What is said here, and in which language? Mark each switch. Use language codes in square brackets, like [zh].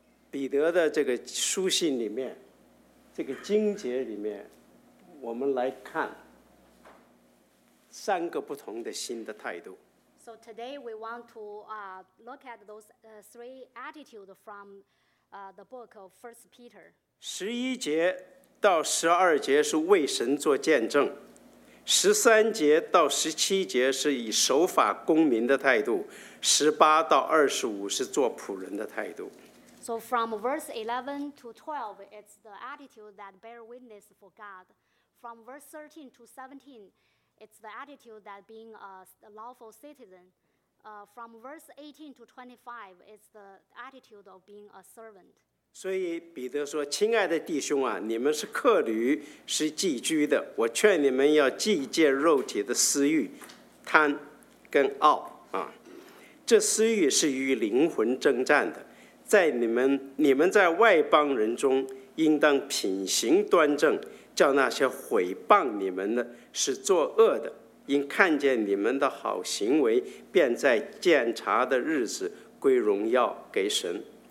[zh] 所以今天我们从彼得的这个书信里面, 这个经节里面, 我们来看, 三个不同的新的态度。 [en] So today we want to look at those three attitudes from the book of 1 Peter. [zh] 11节到12节是为神做见证, 13节到17节是以守法公民的态度, 18到25是做仆人的态度。 [en] So from verse 11 to 12, it's the attitude that bear witness for God. From verse 13 to 17, it's the attitude that being a lawful citizen. From verse 18 to 25, it's the attitude of being a servant. [zh] 所以彼得说, 亲爱的弟兄啊, 你们是客旅, 是寄居的, 我劝你们要忌戒肉体的私欲, 贪跟傲, 啊, 这私欲是与灵魂征战的, 在你们, 你们在外邦人中, 应当品行端正, 叫那些毁谤你们的, 是作恶的, 因看见你们的好行为, 便在鉴察的日子, 归荣耀给神。